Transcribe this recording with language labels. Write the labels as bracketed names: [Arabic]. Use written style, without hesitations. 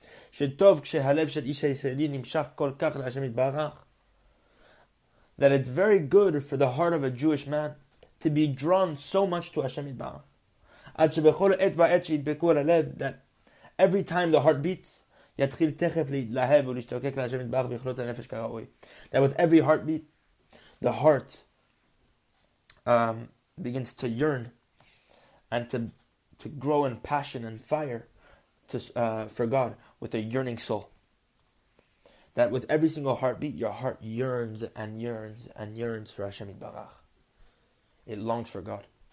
[Hebrew] שטוב כשהלב של איש הישראלי נמשך כל כך להשם יתברך. [English] That it's very good for the heart of a Jewish man to be drawn so much to Hashem Yitbarach. [Hebrew] עד שבכל עת ועת שידבקו על הלב, [English] that every time the heart beats, [Hebrew] יתחיל תכף להתלהב ולהשתוקק להשם יתברך בכלות הנפש כראוי. [English] That with every heartbeat, the heart begins to yearn and to grow in passion and fire for God with a yearning soul. That with every single heartbeat, your heart yearns and yearns and yearns for Hashem Yitbarach. It longs for God.